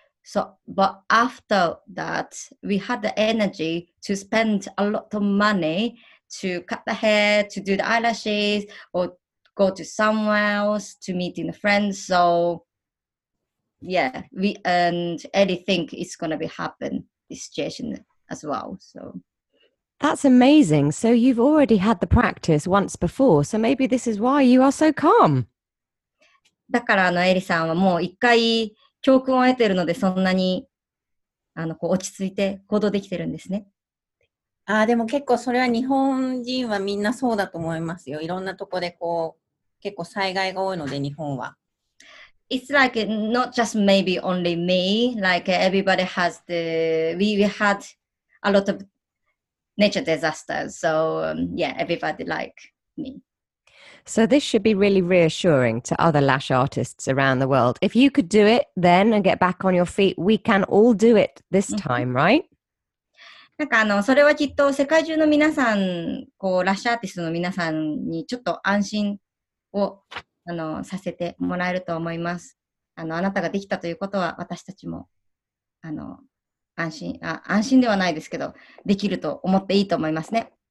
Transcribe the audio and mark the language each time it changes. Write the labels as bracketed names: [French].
[English] So, but after that, we had the energy to spend a lot of money to cut the hair, to do the eyelashes, or go to somewhere else to meet in friends, so... Yeah, we and Eddie think it's going to be happen, this situation as well, so... That's amazing. So you've already had the practice once before, so maybe this is why you are so calm. [Japanese] だからエリさんはもう一回教訓を得ているのでそんなにこう落ち着いて行動できてるんですね。あ、でも結構それは日本人はみんなそうだと思いますよ。いろんなとこでこう結構災害が多いので日本は。 [English] It's like not just maybe only me, like everybody has the, we had a lot of nature disasters, so yeah, everybody like me. So this should be really reassuring to other lash artists around the world. If you could do it then and get back on your feet, we can all do it this time, right? [Japanese] なんかそれはきっと世界中の皆さん、こうラッシュアーティストの皆さんにちょっと安心をさせてもらえると思います。あなたができたということは私たちも安心ではないですけど、できると思っていいと思いますね。